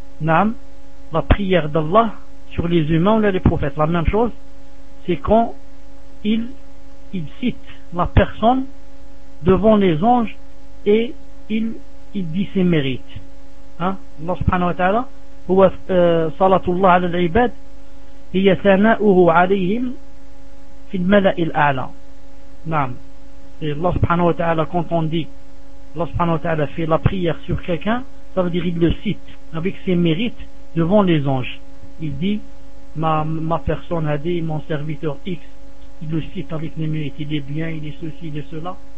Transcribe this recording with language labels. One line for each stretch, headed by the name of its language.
French: Naam, la prière d'Allah sur les humains ou les prophètes, la même chose, c'est quand il cite la personne devant les anges et il dit ses mérites.
Arabic: Hein? Allah subhanahu wa ta'ala, huwa salatullah ala al-ibad. هي ثناؤه عليهم في الملأ الأعلى. نعم. الله سبحانه وتعالى
French: quand on dit الله سبحانه وتعالى fait la prière sur quelqu'un, ça veut dire il le cite avec ses mérites devant les anges. Il dit ma personne a dit mon serviteur X, il le cite avec les mérites, il est bien, il est ceci, il est cela.